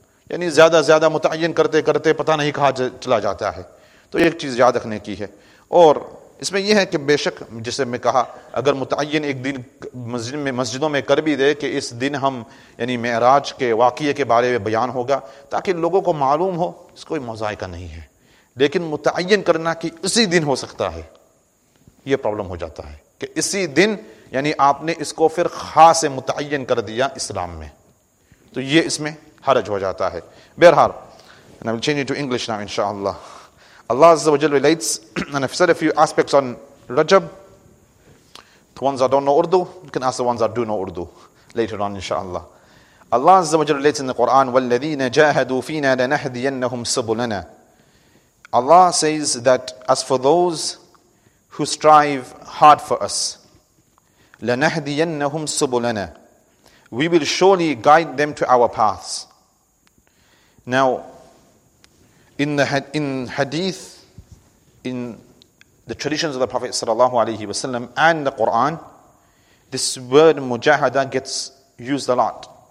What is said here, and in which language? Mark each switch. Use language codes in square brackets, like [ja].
[ur] یعنی زیادہ متعین کرتے کرتے پتہ نہیں کہاں چلا جاتا ہے، تو ایک چیز یاد رکھنے کی ہے، اور اس میں یہ ہے کہ بے شک جسے میں کہا اگر متعین ایک دن مسجدوں میں کر بھی دے کہ اس دن ہم یعنی معراج کے واقعے کے بارے میں بیان ہوگا تاکہ لوگوں کو معلوم ہو، اس کوئی مذائقہ نہیں ہے، لیکن متعین کرنا کہ اسی دن ہو سکتا ہے یہ پرابلم ہو جاتا ہے کہ اسی دن یعنی آپ نے اس کو پھر خاص متعین کر دیا اسلام میں، تو یہ اس میں حرج ہو جاتا ہے، بہرحال [en] I will change it to English now [ur] انشاءاللہ. [en] Allah عز و جل relates and I've said a few aspects on Rajab, the ones that don't know Urdu, you can ask the ones that do know Urdu later on انشاءاللہ. Allah عز و جل relates in the Quran [ar] وَالَّذِينَ جَاهَدُوا فِينَا لَنَهْدِيَنَّهُمْ سُبُلَنَا. [en] Allah says that as for those who strive hard for us, [ar] لَنَهْدِيَنَّهُمْ سُبُلَنَا, [en] we will surely guide them to our paths. Now, in the traditions of the Prophet sallallahu alaihi wasallam and the Quran, this word mujahada gets used a lot.